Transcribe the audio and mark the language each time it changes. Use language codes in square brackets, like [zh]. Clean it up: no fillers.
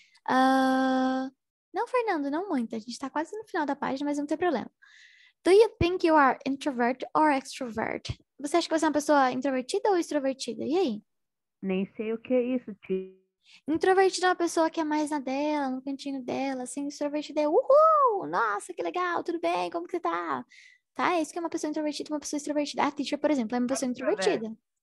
[pt] Não, Fernando, não muito. A gente está quase no final da página, mas não tem problema. [en] Do you think you are introvert or extrovert? [pt] Você acha que você é uma pessoa introvertida ou extrovertida? E aí? Nem sei o que é isso, tio. Introvertida é uma pessoa que é mais na dela, no cantinho dela, assim, extrovertida é uhul, nossa, que legal, tudo bem, como que você tá? Tá, é isso que é uma pessoa introvertida, uma pessoa extrovertida. A teacher, por exemplo, é uma pessoa introvertida.